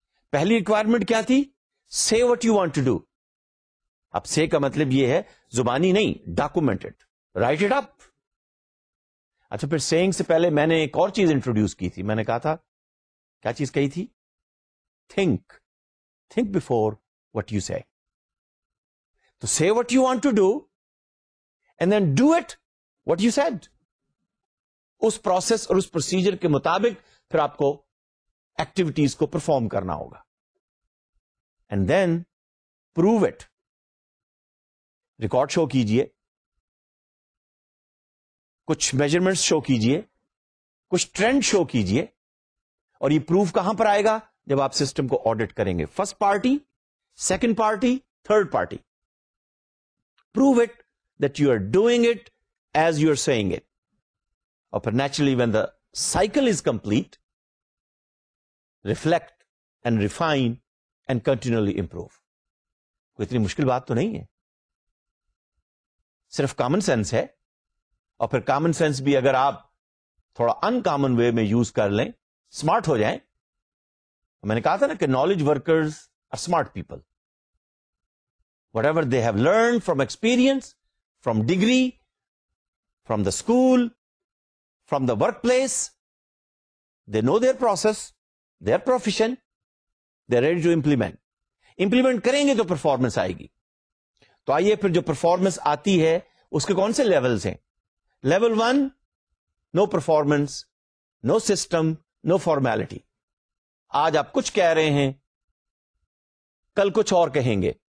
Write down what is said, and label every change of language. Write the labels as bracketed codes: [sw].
[ur] پہلی ریکوائرمنٹ کیا تھی, [en] Say what you want to do. [ur] اب سے کا مطلب یہ ہے زبانی نہیں, ڈاکومینٹڈ, [en] Write it up. [ur] اچھا پھر سیئنگ سے پہلے میں نے ایک اور چیز انٹروڈیوس کی تھی, میں نے کہا تھا کیا چیز کہی تھی, think, [en] think before what you say. So say what you want to do and then do it what you said. [ur] اس process اور اس پروسیجر کے مطابق پھر آپ کو ایکٹیویٹیز کو پرفارم کرنا ہوگا. [en] and then prove it, [ur] record شو کیجئے, کچھ میجرمنٹس شو کیجئے, کچھ ٹرینڈ شو کیجئے. اور یہ پروف کہاں پر آئے گا؟ جب آپ سسٹم کو آڈٹ کریں گے, first party, second party, third party. [en] Prove it that you are doing it as you are seeing it. But naturally, when the cycle is complete, reflect and refine and continually improve. [ur] کوئی اتنی مشکل بات تو نہیں ہے, صرف common sense ہے. اور پھر common sense بھی اگر آپ تھوڑا uncommon way میں use کر لیں, smart ہو جائیں. میں نے کہا تھا نا کہ [en] knowledge workers are smart people. Whatever they have learned from experience, from degree, from the school, from the workplace, they know their process, their profession, they're ready to implement. [ur] Implement کریں گے تو performance آئے گی. تو آئیے پھر جو performance آتی ہے اس کے کون سے levels ہیں. [en] Level 1, no performance, no system, no formality. [ur] آج آپ کچھ کہہ رہے ہیں, کل کچھ اور کہیں گے.